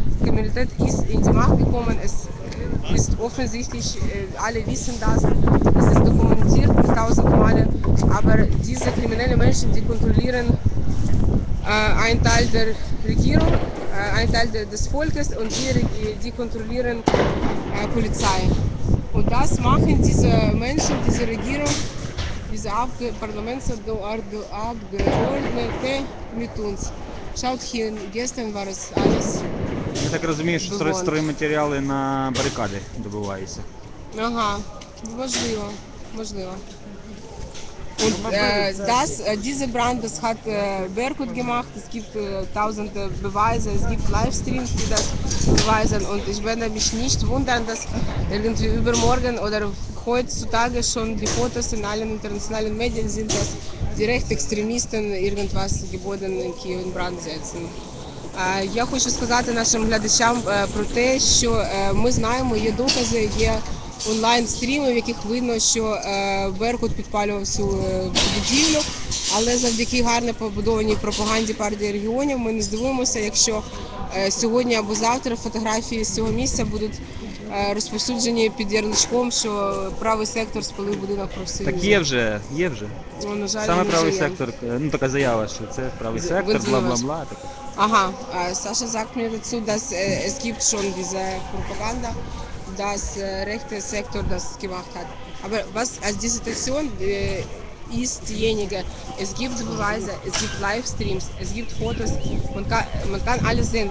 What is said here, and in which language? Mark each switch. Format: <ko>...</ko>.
<de>Kriminalität ist in die Macht gekommen, es ist offensichtlich, alle wissen das, es ist dokumentiert tausendmal, aber diese kriminellen Menschen, die kontrollieren einen Teil der Regierung, einen Teil des Volkes und die kontrollieren Polizei. Und das machen diese Menschen, diese Regierung, diese Parlamentsabgeordnete mit uns. Schaut hier, gestern war es alles.</de> <uk>Я так розумію, що стройматеріали на барикади добуваються. Ага, можливо, можливо.</uk> <de>Und das diese Brand das hat Berkut gemacht. Es gibt tausende Beweise, es gibt Livestreams, die das beweisen und ich werde mich nicht wundern, dass irgendwie übermorgen oder heutzutage schon die Fotos in allen internationalen Medien sind, dass die Rechtsextremisten irgendwas Gebäude in Kiew in Brand setzen.</de> <uk>Я хочу сказати нашим глядачам про те, що ми знаємо, є докази, є онлайн-стріми, в яких видно, що Беркут підпалював всю будівлю, але завдяки гарно побудованій пропаганді партії регіонів ми не здивуємося, якщо сьогодні або завтра фотографії з цього місця будуть розповсюджені під ярличком, що правий сектор спалив будинок профсоюзу. Так є вже, на жаль, саме правий сектор, ну така заява, що це правий сектор, бла-бла-бла.</uk> <de>Ага, Саша sagt mir dazu, dass es gibt schon diese Propaganda, dass rechter Sektor das gemacht hat. Aber was als diese Situation ist diejenige, es gibt Beweise, es gibt Livestreams, es gibt Fotos, man kann alles sehen.</de>